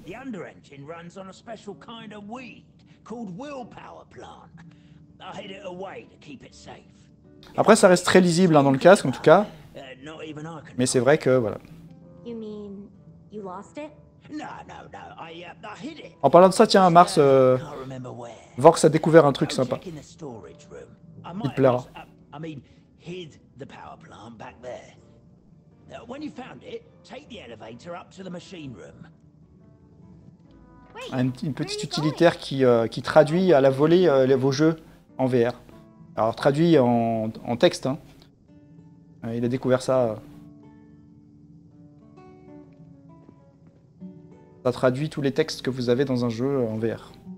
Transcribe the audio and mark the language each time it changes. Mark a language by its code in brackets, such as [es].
[en] The under-engine runs on a special kind of weed called willpower plant. I hid it away to keep it safe. [fr] Après, ça reste très lisible hein, dans le casque, en tout cas. Mais c'est vrai que voilà. [en] You mean you lost it? No, I hid it. [fr] En parlant de ça, tiens, Mars, Vorx a découvert un truc sympa. Il plaira. [en] I mean, hid the power plant back there. When you found it, take the elevator up to the machine room. [fr] Une petite utilitaire qui traduit à la volée vos jeux en VR. Alors traduit en texte, hein. Il a découvert ça. Ça traduit tous les textes que vous avez dans un jeu en VR.